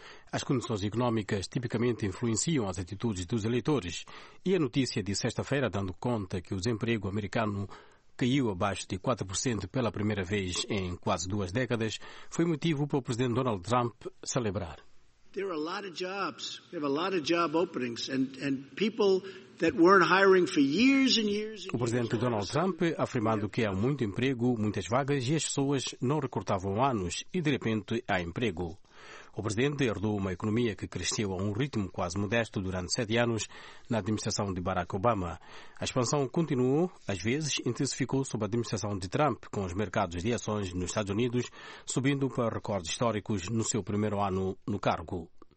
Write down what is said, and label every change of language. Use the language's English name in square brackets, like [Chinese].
[Portuguese] As condições económicas tipicamente influenciam as atitudes dos eleitores e a notícia de sexta-feira, dando conta que o desemprego americano caiu abaixo de 4% pela primeira vez em quase duas décadas, foi motivo para o presidente Donald Trump celebrar. [English] There are a lot of jobs. We have a lot of job openings and people that weren't hiring for years and years. [Portuguese] O presidente Donald Trump afirmando que há muito emprego, muitas vagas e as pessoas não recortavam anos e de repente há emprego. O presidente herdou uma economia que cresceu a um ritmo quase modesto durante 7 anos na administração de Barack Obama. A expansão continuou, às vezes intensificou sob a administração de Trump, com os mercados de ações nos Estados Unidos subindo para recordes históricos no seu primeiro ano no cargo.